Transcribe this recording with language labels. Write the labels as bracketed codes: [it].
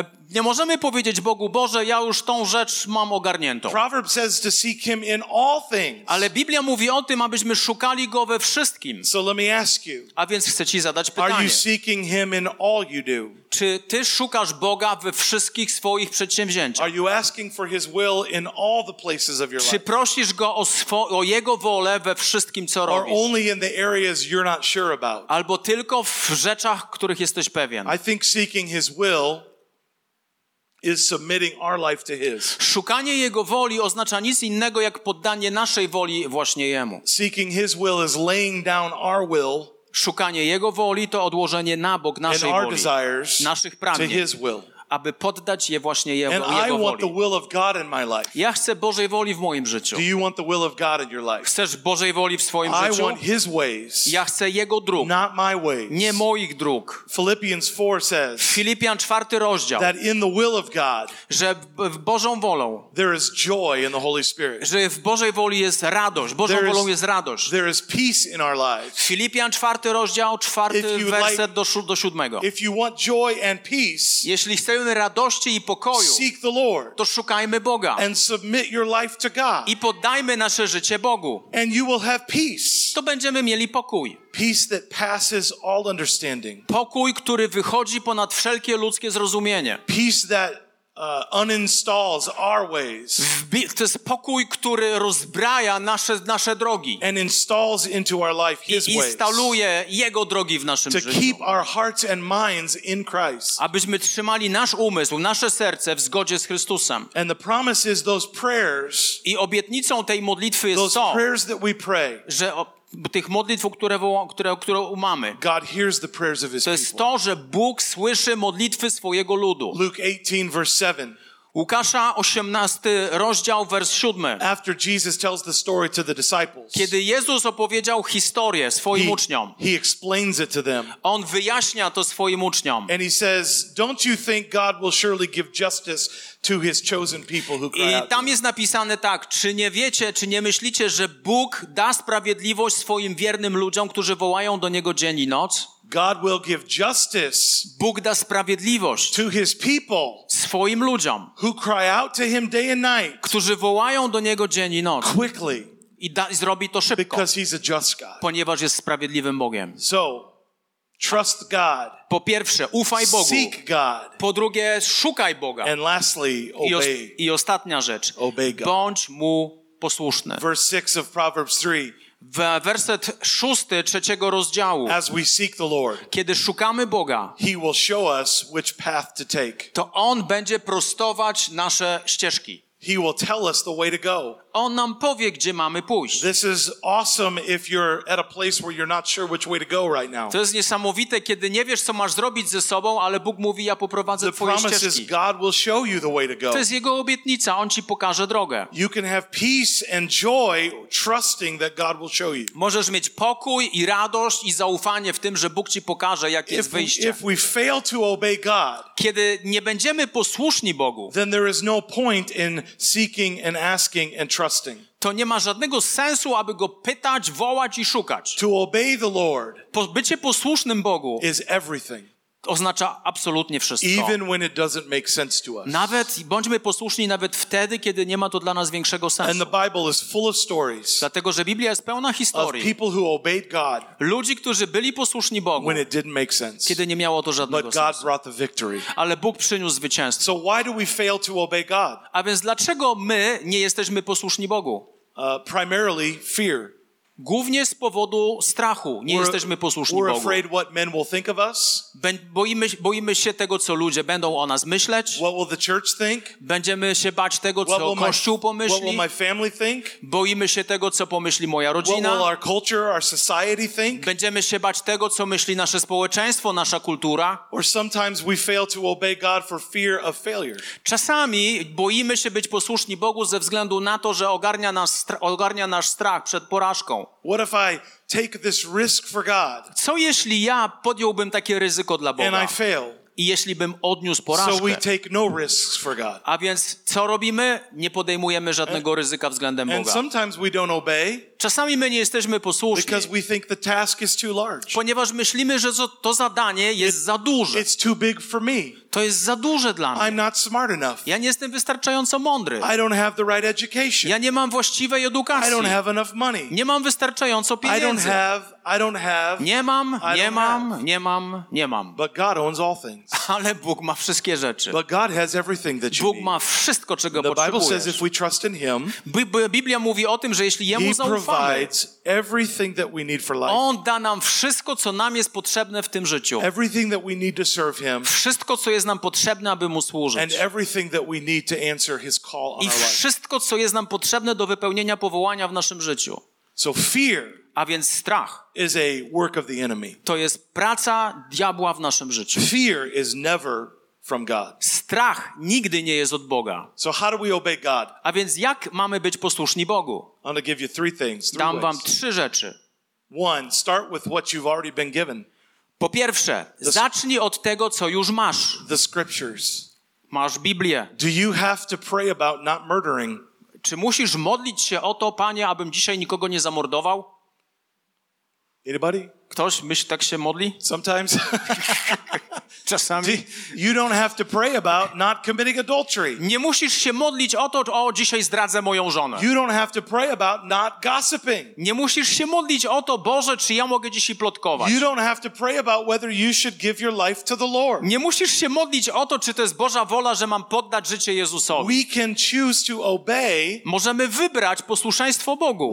[pl] Nie możemy powiedzieć Bogu, Boże, ja już tą rzecz mam ogarniętą. [en] Proverbs says to seek him in all things. [pl] Ale Biblia mówi o tym, abyśmy szukali Go we wszystkim. [en] So let me ask you, [pl] a więc chcę Ci zadać pytanie. [en] Are you seeking him in all you do? [pl] Czy Ty szukasz Boga we wszystkich swoich przedsięwzięciach? [en] Are you asking for his will in all the places of your life? [pl] Czy prosisz Go o Jego wolę we wszystkim, co robisz? [en] Or only in the areas you're not sure about? [pl] Albo tylko w rzeczach, których jesteś pewien. [en] I think seeking his will is submitting our life to his. [pl] Szukanie jego woli oznacza nic innego jak poddanie naszej woli właśnie jemu. [en] Seeking his will is laying down our will. [pl] Szukanie jego woli to odłożenie na bok naszej woli, naszych pragnień, aby poddać je właśnie jemu, [en] and [pl] jego [en] I [pl] woli. [en] Want the will of God in my life. [pl] Ja chcę Bożej woli w moim życiu. [en] Do you want the will of God in your life? [pl] Chcesz Bożej woli w swoim [en] I [pl] życiu? [en] Want his ways, [pl] ja chcę jego dróg. [en] Not my ways. [pl] Nie moich dróg. [en] Philippians 4 says, [pl] Filipian 4 rozdział, [en] that in the will of God, [pl] że w Bożą wolą, [en] there is joy in the Holy Spirit. [pl] Że w Bożej woli jest radość. Bożą [en] there [pl] wolą [en] is, [pl] jest radość. [en] There is peace in our lives. [pl] Filipian 4 rozdział, 4 werset do 7. [en] If you want joy and peace, [pl] jeśli chcesz radości i pokoju, [en] seek the Lord, [pl] to szukajmy Boga [en] and submit your life to God. [pl] I poddajmy nasze życie Bogu. [en] And you will have peace. [pl] To będziemy mieli pokój. [en] Peace that passes all understanding. [pl] Pokój, który wychodzi ponad wszelkie ludzkie zrozumienie. [en] Peace that uninstalls our ways. [pl] To jest pokój, który rozbraja nasze drogi. [en] And installs into our life his ways. [pl] I instaluje jego drogi w naszym życiu. [en] To keep our hearts and minds in Christ. [pl] Abyśmy trzymali nasz umysł, nasze serce w zgodzie z Chrystusem. [en] And the promise is those prayers. [pl] I obietnicą tej modlitwy jest to, [en] those prayers that we pray. [pl] Że tych modlitw, które mamy. [en] God hears the prayers of his people. [pl] To jest to, że Bóg słyszy modlitwy swojego ludu. [en] Luke 18, verse 7. [pl] Łukasza 18 rozdział wers 7. [en] After Jesus tells the story to the disciples. [pl] Kiedy Jezus opowiedział historię swoim uczniom. [en] He explains it to them. [pl] On wyjaśnia to swoim uczniom. [en] And he says, "Don't you think God will surely give justice to his chosen people who cry out?" [pl] I tam jest napisane tak: "Czy nie wiecie, czy nie myślicie, że Bóg da sprawiedliwość swoim wiernym ludziom, którzy wołają do niego dzień i noc?" [en] God will give justice. [pl] Bóg da sprawiedliwość [en] to his people, [pl] swoim ludziom, [en] who cry out to him day and night, [pl] którzy wołają do niego dzień i noc. [en] Quickly, [pl] i zrobi to szybko, [en] because he's a just God. [pl] Ponieważ jest sprawiedliwym Bogiem. [en] So, trust God. [pl] Po pierwsze, ufaj Bogu. [en] Seek God. [pl] Po drugie, szukaj Boga. [en] And lastly, obey. [pl] I ostatnia rzecz. [en] Obey God. [pl] Bądź mu posłuszny. [en] Verse 6 of Proverbs 3. [pl] W werset 6 trzeciego rozdziału, [en] as we seek the Lord, [pl] kiedy szukamy Boga, [en] he will show us which path to take. [pl] To On będzie prostować nasze ścieżki. [en] He will tell us the way to go. [pl] On nam powie, gdzie mamy pójść. [en] This is awesome if you're at a place where you're not sure which way to go right now. [pl] To jest niesamowite, kiedy nie wiesz, co masz zrobić ze sobą, ale Bóg mówi, ja poprowadzę twoje ścieżki. [en] The promise is God will show you the way to go. [pl] To jest Jego obietnica, On ci pokaże drogę. [en] You can have peace and joy trusting that God will show you. [pl] Możesz mieć pokój i radość i zaufanie w tym, że Bóg ci pokaże, jakie jest wyjście. [en] If we fail to obey God, [pl] kiedy nie będziemy posłuszni Bogu, [en] then there is no point in seeking and asking and [pl] to nie ma żadnego sensu, aby go pytać, wołać i szukać. [en] To obey the Lord, [pl] bycie posłusznym Bogu, [en] is everything. [pl] Oznacza absolutnie wszystko. [en] Even when it doesn't make sense to us. [pl] Nawet bądźmy posłuszni nawet wtedy, kiedy nie ma to dla nas większego sensu. [en] And the Bible is full of stories. [pl] Dlatego, że Biblia jest pełna historii. [en] Of people who obeyed God. [pl] Ludzi, którzy byli posłuszni Bogu. [en] When it didn't make sense. [pl] Kiedy nie miało to żadnego [en] But [pl] sensu. [en] God brought the victory. [pl] Ale Bóg przyniósł zwycięstwo. [en] So why do we fail to obey God? [pl] A więc dlaczego my nie jesteśmy posłuszni Bogu? [en] Primarily fear. [pl] Głównie z powodu strachu nie jesteśmy posłuszni [en] we're [pl] Bogu. [en] Afraid what men will think of us. [pl] Boimy się tego, co ludzie będą o nas myśleć. [en] What will the church think? [pl] Będziemy się bać tego, co Kościół pomyśli. [en] What will my family think? [pl] Boimy się tego, co pomyśli moja rodzina. [en] What will our culture, our society think? [pl] Będziemy się bać tego, co myśli nasze społeczeństwo, nasza kultura. [en] Or sometimes we fail to obey God for fear of failure. [pl] Czasami boimy się być posłuszni Bogu ze względu na to, że ogarnia nas strach przed porażką. [en] What if I take this risk for God? [pl] Co jeśli ja podjąłbym takie ryzyko dla Boga? [en] And I fail. [pl] I jeśli bym odniósł porażkę. [en] So we take no risks for God. [pl] A więc co robimy? Nie podejmujemy żadnego ryzyka względem Boga. [en] And sometimes we don't obey. [pl] Czasami my nie jesteśmy posłuszni. [en] Because we think the task is too large. [pl] Ponieważ myślimy, że to zadanie jest za duże. [en] It's too big for me. [pl] To jest za duże dla mnie. [en] I'm not smart enough. [pl] Ja nie jestem wystarczająco mądry. [en] I don't have the right education. [pl] Ja nie mam właściwej edukacji. [en] I don't have enough money. [pl] Nie mam wystarczająco pieniędzy. [en] I don't have. [pl] Nie mam. [en] But God owns all things. [pl] Ale Bóg ma wszystkie rzeczy. [en] But God has everything that you [pl] Bóg [en] need. [pl] Ma wszystko, czego [en] the Bible says if we trust in him, [pl] Biblia mówi o tym, że jeśli jemu [en] he [pl] zaufamy, [en] provides everything that we need for life. [pl] On da nam wszystko, co nam jest potrzebne w tym życiu. [en] Everything that we need to serve him. [pl] Wszystko, co jest nam potrzebne, aby mu służyć. [en] And everything that we need to answer his call on [pl] I wszystko, co jest nam potrzebne do wypełnienia powołania w naszym życiu. [en] So fear, [pl] a więc strach, [en] is a work of the enemy. [pl] To jest praca diabła w naszym życiu. [en] Fear is never from God. [pl] Strach nigdy nie jest od Boga. [en] So how do we obey God? [pl] A więc jak mamy być posłuszni Bogu? [en] I'm going to give you three things. Three [pl] dam wam [en] ways. [pl] Trzy rzeczy. [en] One, start with what you've already been given. [pl] Po pierwsze, zacznij od tego, co już masz. [en] The scriptures. [pl] Masz Biblię. [en] Do you have to pray about not murdering? [pl] Czy musisz modlić się o to, Panie, abym dzisiaj nikogo nie zamordował? [en] Anybody? [pl] Ktoś myśli, tak się modli? [en] Sometimes. [pl] Czasami. [en] You don't have to pray about not committing adultery. [pl] Nie musisz się modlić o to, o dzisiaj zdradzę moją żonę. [en] You don't have to pray about not gossiping. [pl] Nie musisz się modlić o to, Boże, czy ja mogę dzisiaj plotkować. [en] You don't have to pray about whether you should give your life to the Lord. [pl] Nie musisz się modlić o to, czy to jest Boża wola, że mam poddać życie Jezusowi. [en] We can choose to obey. [pl] Możemy wybrać posłuszeństwo Bogu.